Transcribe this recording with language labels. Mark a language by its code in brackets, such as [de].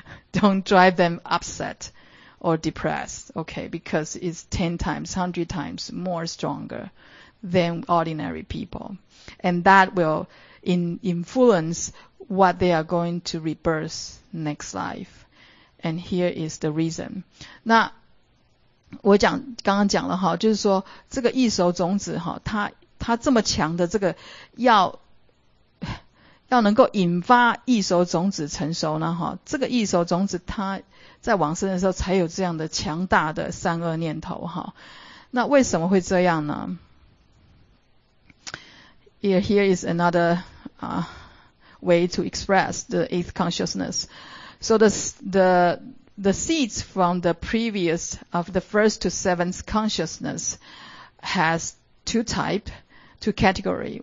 [en] Don't drive them upset or depressed. Okay? Because it's 10 times, 100 times more stronger than ordinary people. And that will influence what they are going to rebirth next life. And here is the reason. [zh] 那我讲刚刚讲了齁，就是说这个异熟种子齁，它这么强的这个要能够引发异熟种子成熟呢齁，这个异熟种子它在往生的时候才有这样的强大的善恶念头齁。那为什么会这样呢？ [en] Here is another way to express the eighth consciousness. So the seeds from the previous of the first to seventh consciousness has two categories.